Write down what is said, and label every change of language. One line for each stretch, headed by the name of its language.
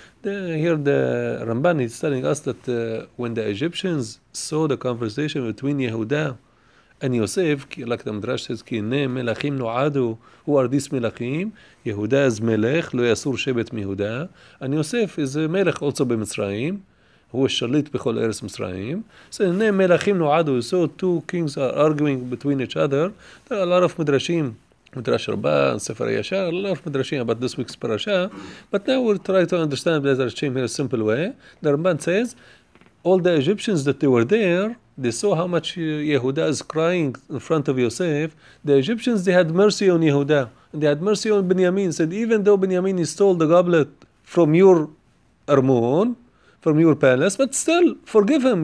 English: Here the Ramban is telling us that when the Egyptians saw the conversation between Yehuda and Yosef, like the Midrash says,
Hebrew: "Ki ne melachim nu'adu,"
English: who are these melachim? Yehuda is melech,
Hebrew: lo yasur shebet mi Yehuda.
English: And Yosef is a melech also be Mitzrayim.
Hebrew: הוא השליט בכל ארץ מצרים. שני מלכים נועדו,
English: so two kings are arguing between each other.
Hebrew: על ערף מדרשים, מדרש רבה, ספר הישר, על ערף מדרשים,
English: about this week's
Hebrew: פרשה.
English: But now we're trying to understand that there's a shame in a simple way. The Ramban says, all the Egyptians that they were there, they saw how much Yehuda is crying in front of Yosef. The Egyptians, they had mercy on Yehuda. And they had mercy on Benjamin. Said, even though Benjamin stole the goblet from your Armon, from your palace, but still, forgive him.